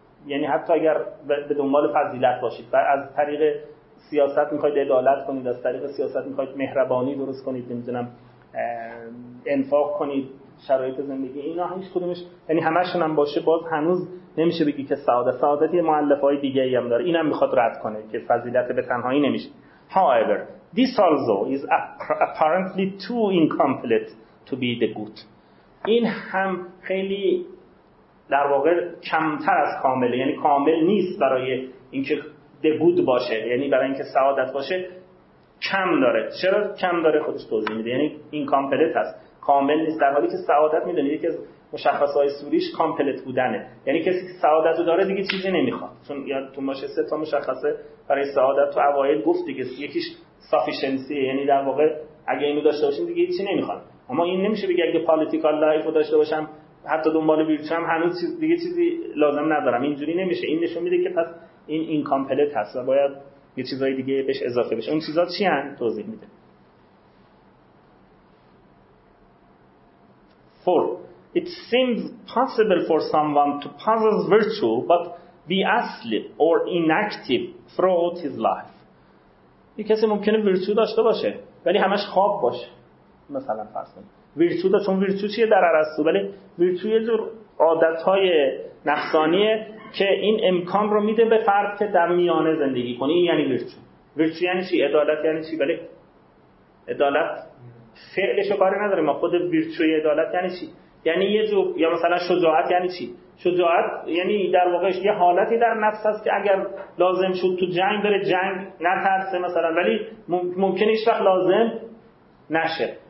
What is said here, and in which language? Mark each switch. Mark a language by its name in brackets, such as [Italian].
[Persian] یعنی حتی اگر به دنبال فضیلت باشید و از طریق سیاست میخواید عدالت کنید، از طریق سیاست میخواید مهربانی درست کنید، نمیدونم انفاق کنید، شرایط زندگی اینا هیچ کدومش، یعنی همشون هم باشه، باز هنوز نمیشه بگی که سعادت یه مؤلفه‌های دیگه‌ای هم داره. اینم میخواد رد کنه که فضیلت به تنهایی نمیشه. [English] However This also is apparently too incomplete to be the good. [Persian] این هم خیلی در واقع کمتر از کامله، یعنی کامل نیست برای اینکه the good باشه، یعنی برای اینکه سعادت باشه کم داره. چرا کم داره؟ خودش توضیح میده، یعنی incomplete هست، کامل نیست، در حالی که سعادت میدونید که مشخصهای سوریش کامپلت بودنه، یعنی کسی که سعادت رو داره دیگه چیزی نمیخواد. چون یادتون باشه سه تا مشخصه برای سعادت تو اوایل گفت دیگه، یکیش سافیشنسیه، یعنی در واقع اگه اینو داشته باشیم دیگه چیزی نمیخواد. اما این نمیشه بگه اگه پالیتیکال لایف رو داشته باشم حتی دنبال ویرچم هنوز چیز دیگه چیزی لازم ندارم، اینجوری نمیشه. این نشون میده که پس این اینکامپلت هست و باید یه چیزای دیگه بهش اضافه بشه. اون چیزا چی ان؟ توضیح میده. 4. [English] It seems possible for someone to possess virtue but be asleep or inactive throughout his life. [Persian] یه کسی ممکنه ویرچو داشته باشه ولی همش خواب باشه. مثلا فرض کنید ویرچو داشته، چون ویرچو چیه در ارسطو؟ ولی ویرچو یه جور عادت‌های نفسانیه که این امکان رو میده به فرد که در میانه زندگی کنه. این یعنی ویرچو. ویرچو یعنی چی؟ عدالت یعنی چی؟ ولی عدالت فعلش رو کاری نداره، ما خود ویرچوی عدالت یعنی چی؟ یعنی یه جو، یا مثلا شجاعت یعنی چی؟ شجاعت یعنی در واقعش یه حالتی در نفس هست که اگر لازم شد تو جنگ بره جنگ نترسه مثلا، ولی ممکنه هیچ وقت لازم نشه.